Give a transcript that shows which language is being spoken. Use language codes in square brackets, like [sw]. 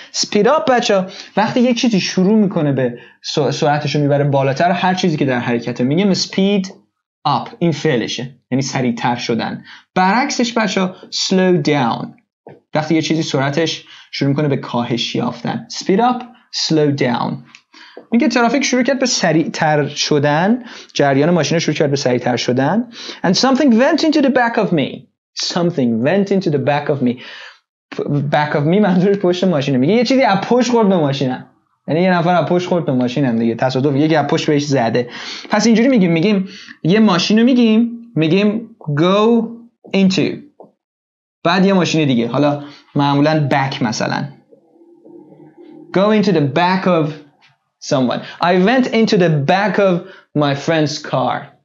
[fa] speed up بچه وقتی یک چیزی شروع میکنه به سرعتش رو میبره بالاتر، هر چیزی که در حرکته میگم speed up، این فعلشه یعنی سریعتر شدن. برعکسش بچه slow down، وقتی یک چیزی سرعتش شروع میکنه به کاهش یافتن، speed up slow down. میگه ترافیک شروع کرد به سریعتر شدن، جریان ماشین شروع کرد به سریعتر شدن. [en] And something went into the back of me. Something went into the back of me. Back of me [fa] منظورش پشت ماشینه. میگه یه چیزی از پشت خورد به ماشینم. یعنی یه نفر از پشت خورد به ماشینم دیگه. تصادف، یکی از پشت بهش زده. پس اینجوری میگیم، میگیم یه ماشینو میگیم، میگیم go into. بعد یه ماشین دیگه. حالا معمولا back مثلا. [en] Go into the back of someone. I went into the back of my friend's car.